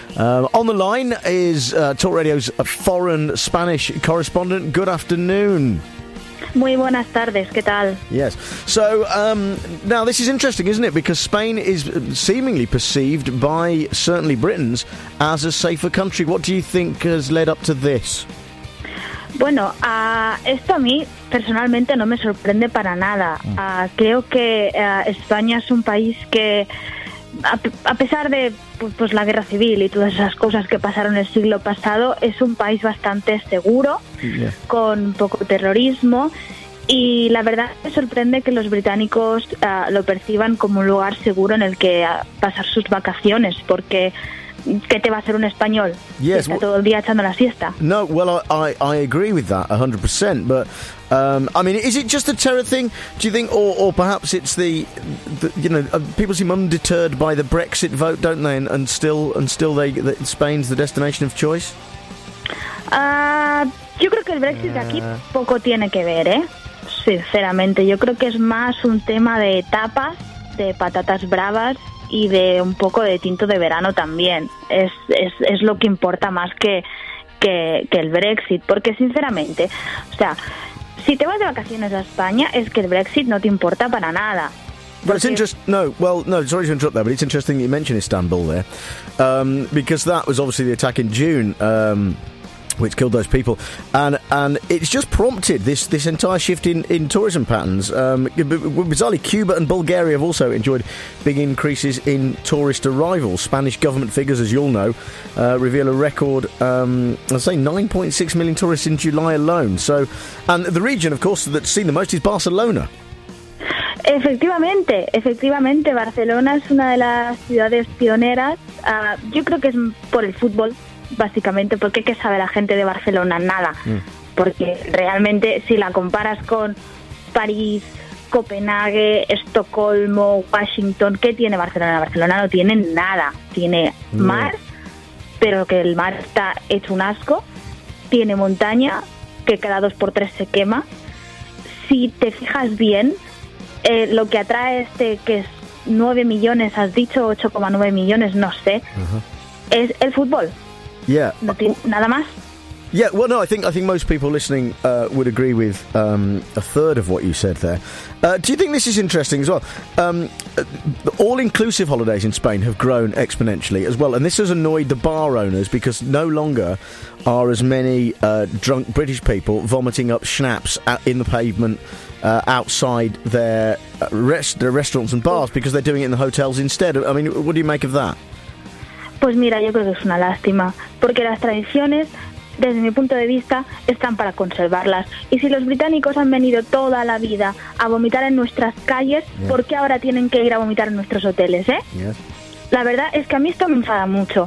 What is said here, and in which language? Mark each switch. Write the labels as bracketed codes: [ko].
[en] On the line is Talk Radio's foreign Spanish correspondent. Good afternoon. [es] Muy buenas tardes. ¿Qué tal? [en] Yes. So, now this is interesting, isn't it? Because Spain is seemingly perceived by certainly Britons as a safer country. What do you think has led up to this? [es] Bueno, esto a mí personalmente no me sorprende para nada. Creo que España es un país que, a pesar de pues la guerra civil y todas esas cosas que pasaron el siglo pasado, es un país bastante seguro, con poco terrorismo, y la verdad me sorprende que los británicos lo perciban como un lugar seguro en el que pasar sus vacaciones, porque ¿qué te va a hacer un español? [en] Yes, [es] que está todo el día echando la siesta. [en] No, well, I agree with that 100%, but I mean, is it just a terror thing, do you think, or perhaps it's the you know, people seem undeterred by the Brexit vote, don't they, and still Spain's the destination of choice? [es] Yo creo que el Brexit de aquí poco tiene que ver, ¿eh? sinceramente. Yo creo que es más un tema de tapas, de patatas bravas y de un poco de tinto de verano también. Es lo que importa más que el Brexit, porque sinceramente, o sea, si te vas de vacaciones a España es que el Brexit no te importa para nada. [en] But it's interesting. No, well, no. Sorry to interrupt there, but it's interesting that you mention Istanbul there, because that was obviously the attack in June, which killed those people, and it's just prompted this entire shift in tourism patterns. Bizarrely, Cuba and Bulgaria have also enjoyed big increases in tourist arrivals. Spanish government figures, as you'll know, reveal a record, I'd say 9.6 million tourists in July alone. So, and the region, of course, that's seen the most is Barcelona. [es] Efectivamente, Barcelona es una de las ciudades pioneras. Yo creo que es por el fútbol, básicamente, porque ¿qué sabe la gente de Barcelona? Nada. Porque realmente, si la comparas con París, Copenhague, Estocolmo, Washington, ¿qué tiene Barcelona? Barcelona no tiene nada. Tiene mar, pero que el mar está hecho un asco. Tiene montaña, que cada dos por tres se quema. Si te fijas bien, lo que atrae este, que es 9 millones, has dicho 8,9 millones, no sé, es el fútbol. [en] Yeah. [es] Nada más. [en] Yeah, well, no, I think most people listening would agree with a third of what you said there. Do you think this is interesting as well? The all-inclusive holidays in Spain have grown exponentially as well, and this has annoyed the bar owners because no longer are as many drunk British people vomiting up schnapps in the pavement outside their restaurants and bars because they're doing it in the hotels instead. I mean, what do you make of that? [es] Pues mira, yo creo que es una lástima, porque las tradiciones, desde mi punto de vista, están para conservarlas. Y si los británicos han venido toda la vida a vomitar en nuestras calles, [en] yeah, [es] ¿por qué ahora tienen que ir a vomitar en nuestros hoteles, eh? [en] Yes. [es] La verdad es que a mí esto me enfada mucho.